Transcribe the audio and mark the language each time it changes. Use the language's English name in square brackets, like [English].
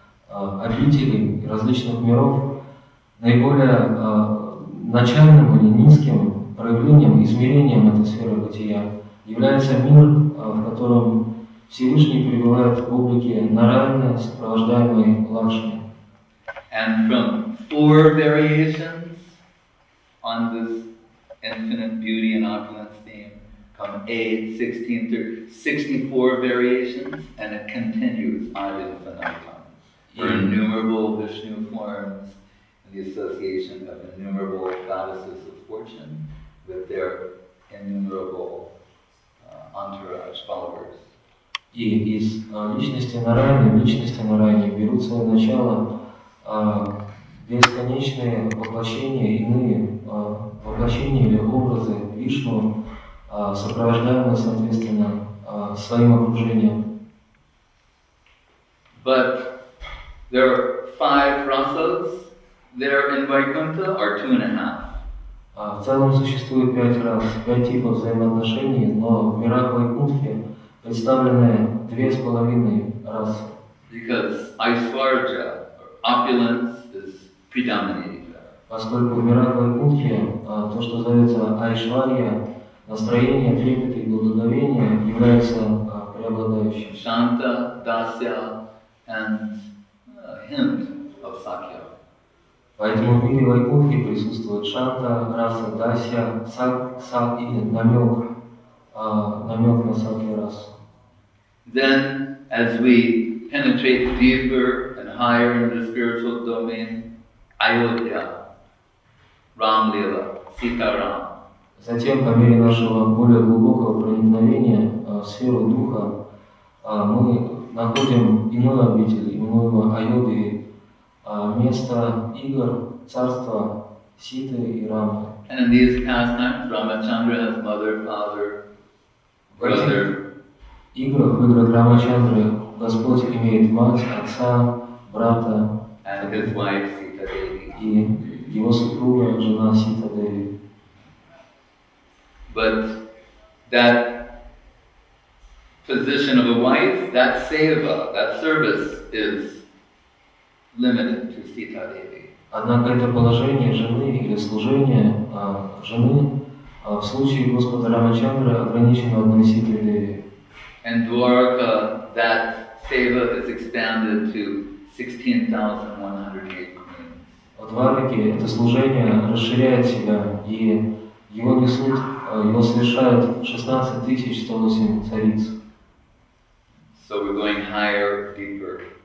[Russian] Обители различных миров, наиболее начальным или низким проявлением, измерением этой сферы бытия является мир, в котором Всевышний пребывает в облике Нарайны, сопровождаемой Лакшми. [English] And from four variations on this infinite beauty and opulence theme come 8, 16, 64 variations, and it continues ad infinitum. For innumerable Vishnu forms and the association of innumerable goddesses of fortune with their innumerable entourage followers. [Russian] И из личности Нарайны, берут свое начало бесконечные воплощения иные воплощения или образы Вишну, сопровождаемые соответственно своим окружением. [English] But there are five rasas there in Vaikuntha, or two and a half. [Russian] В целом существует пять рас, пять типов взаимоотношений, но в мирах Вайкунтхи представлены две с половиной расы. [English] Because Aishwarya, or opulence, is predominating there. [Russian] Поскольку в мирах Вайкунтхи то, что называется Aishwarya, настроение, трепет и благоговение является преобладающим. [English] Shanta, Dasya, and hint of Sakya. [Russian] Поэтому в мире Вайкунтхи присутствует Шанта, Раса, Дасья, Сак и намек, намек на Сакья Расу. [English] Then, as we penetrate deeper and higher in the spiritual domain, Айодхья, Рам Лила, Сита Рам. [Russian] Затем, по мере нашего более глубокого проникновения в сферу Духа, мы находим иной обитель, именуемый Айоды, место игр, царства Ситы и Рамы. [English] And in these past times, Ramachandra has mother, father, brother. [Russian] В играх Рамачандры Господь имеет мать, отца, брата. [English] And his wife, Sita Devi. [Russian] И его супруга, жена Сита Деви. [English] But that position of a wife, that seva, that service is limited to Sita Devi. [Russian] Однако это положение жены или служение жены в случае Господа Рамачандры ограничено одной Ситой Деви. [English] And Dwarka, that seva is expanded to 16,108 queens. [Russian] В Двараке это служение расширяет себя и его несут, его совершают 16,108 цариц. [English] So we're going higher, deeper.